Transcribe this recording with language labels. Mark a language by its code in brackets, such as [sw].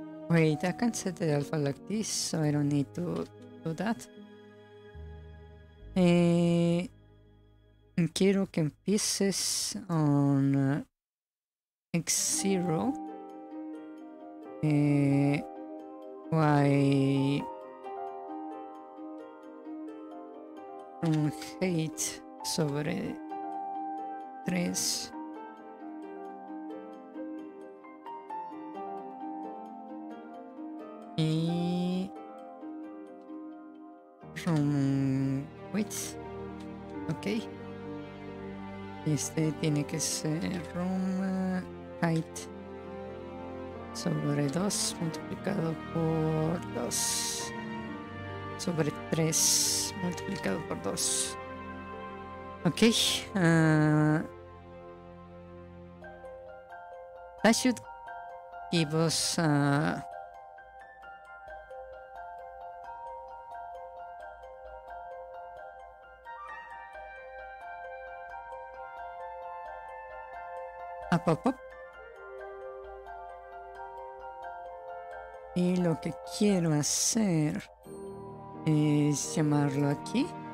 [en] Wait, I can set the alpha like this, so I don't need to do that. [es] Quiero que empieces [en] on X0, Y from height [es] sobre 3, y [en] from width, okay, [es] este tiene que ser room height sobre 2 multiplicado por 2 sobre 3 multiplicado por 2. [en] Okay, that should give us a pop-up. [es] Y lo que quiero hacer es llamarlo aquí.